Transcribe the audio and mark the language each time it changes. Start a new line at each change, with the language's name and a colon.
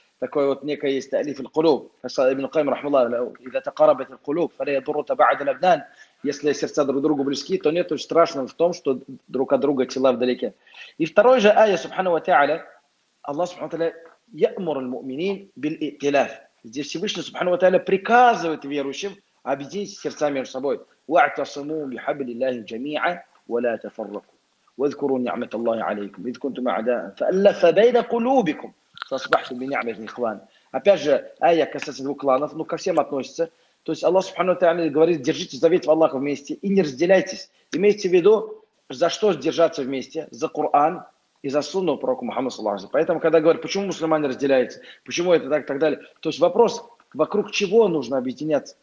Russian: Такой вот некое есть талиф аль-кулуб. Сказал Ибн Каим, рахмаллах,
Arabic: «Иза такарабат аль-кулуб, фа лия дурру табаад аль-абдан».
Russian: Если сердца друг другу близки, то нет страшного в том, что друг от друга тела вдалеке. И второй же ая, субхану ва тааля, Аллах, субхану ва тааля,
Arabic: «Ямур аль-му'минин биль-и'тилаф».
Russian: Здесь Всевышний, субхану ва тааля, приказывает верующим объединить сердца между собой.
Arabic: واعتصموا بحبل الله جميعا ولا تفرقوا واذكروا نعمة الله عليكم إذ كنتم أعداء فألف بين قلوبكم فأصبحتم بنعمة إخوان.
Russian: Опять же, ая касается двух кланов, ну, ко всем относится. То есть Аллах Субхану ва Тааля говорит, держите завет в Аллаха вместе и не разделяйтесь. Имейте в виду, за что держаться вместе, за Коран и за сунну пророка Мухаммада саллаллаху алейхи ва саллям. Поэтому, когда говорят, почему мусульмане разделяются, почему это так и так далее, то есть вопрос, вокруг чего нужно объединяться?